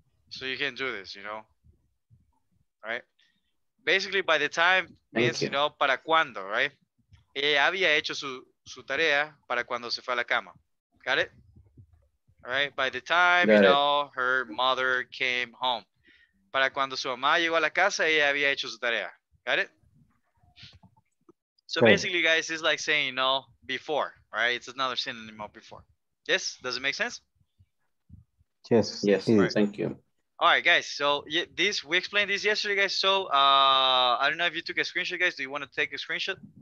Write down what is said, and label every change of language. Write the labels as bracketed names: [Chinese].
[English] So you can do this, you know, right? Basically, by the time means, you know, [Spanish] para cuando, [English] right? [Spanish] Ella había hecho su tarea para cuando se fue a la cama. [English] Got it? All right, by the time, you know, her mother came home. [Spanish] Para cuando su mamá llegó a la casa, ella había hecho su tarea. [English] Got it? So basically, guys, it's like saying, you know, before, right? It's another synonym of before. Yes, does it make sense? Yes, yes, right. Thank you. All right, guys, so we explained this yesterday, guys. So I don't know if you took a screenshot, guys. Do you want to take a screenshot?